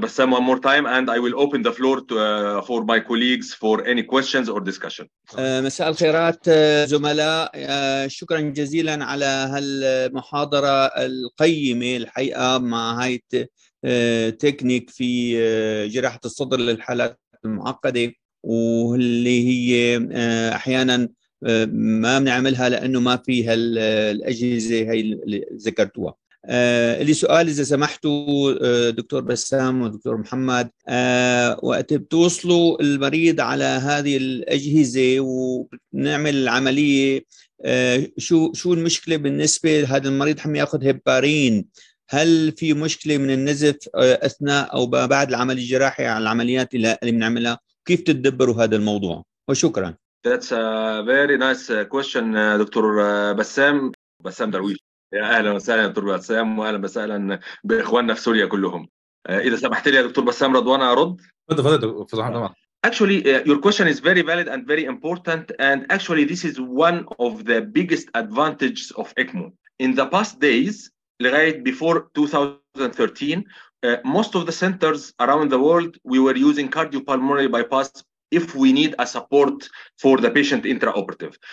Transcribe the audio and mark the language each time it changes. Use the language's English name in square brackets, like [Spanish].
[English] Bassam, one more time, and I will open the floor to for my colleagues for any questions or discussion. [Arabic] مساء الخيرات زملاء, شكرا جزيلا على هالمحاضرة القيمة الحقيقة مع هاي تكنيك في جراحة الصدر للحالات المعقدة, واللي هي أحيانا ما بنعملها لأنه ما فيها الأجهزة هاي اللي ذكرتوها. لي سؤال إذا سمحتوا دكتور بسام ودكتور محمد, وقت بتوصلوا المريض على هذه الأجهزة ونعمل العملية, شو المشكلة بالنسبة لهذا المريض حم يأخذ هبارين؟ هل في مشكلة من النزف أثناء أو بعد العمل الجراحي على العمليات اللي بنعملها؟ كيف تدبروا هذا الموضوع؟ وشكرا. [English] That's a very nice question, doctor بسام درويش. [Arabic] يا اهلا وسهلا دكتور بسام, واهلا وسهلا باخواننا في سوريا كلهم. اذا سمحت لي يا دكتور بسام رضوان ارد. تفضل دكتور رضوان. [English] Actually, your question is very valid and very important, and actually this is one of the biggest advantages of ECMO. In the past days, right before 2013, most of the centers around the world, we were using cardiopulmonary bypass if we need a support for the patient intraoperative.